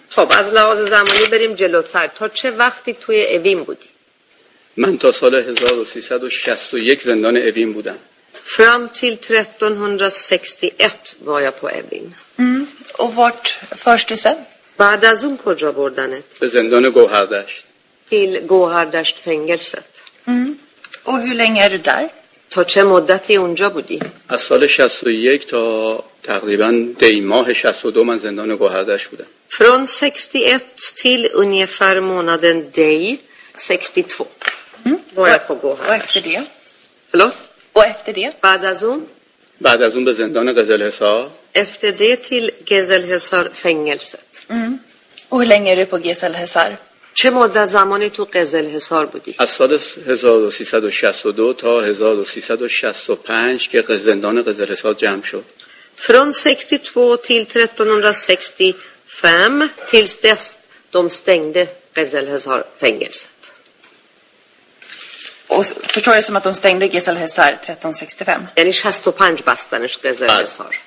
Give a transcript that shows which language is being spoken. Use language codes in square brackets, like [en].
[fa] خب از لحاظ زمانی بریم جلوتر. تا چه وقتی توی اوین بودی؟ من تا سال 1361 زندان اوین بودم. [sv] Fram till 1361 var jag på Evin. Och vart förs du sen? [fa] بعد از اون کجا بردنت؟ به زندان گوهردشت. [sv] Till Gohardasht fängelset. Och hur länge är du där? [fa] تا چه مدتی اونجا بودی؟ از سال 61 تا تقریبا دی ماه 62 من زندان گوهردشت بودم. [sv] Från 61 till ungefär månaden dei 62. Var jag på Gohardasht. Och efter det? Förlåt? Och efter det? [fa] بعد از اون؟ بعد از اون به زندان قزل‌حصار. [sv] Efter det till Gezelhessar fängelset. Och hur länge är du på Gezelhessar? [fa] چه مدت زمانی تو قزلحصار بودی؟ از سال 1362 تا 1365 که زندان قزلحصار جمع شد. [sv] Från 62 till 1365 tills dess de stängde Gezelhessar fängelset. Och förstår jag som att de stängde Gezelhessar 1365? Ja, det är 65 bastanes Gezelhessar.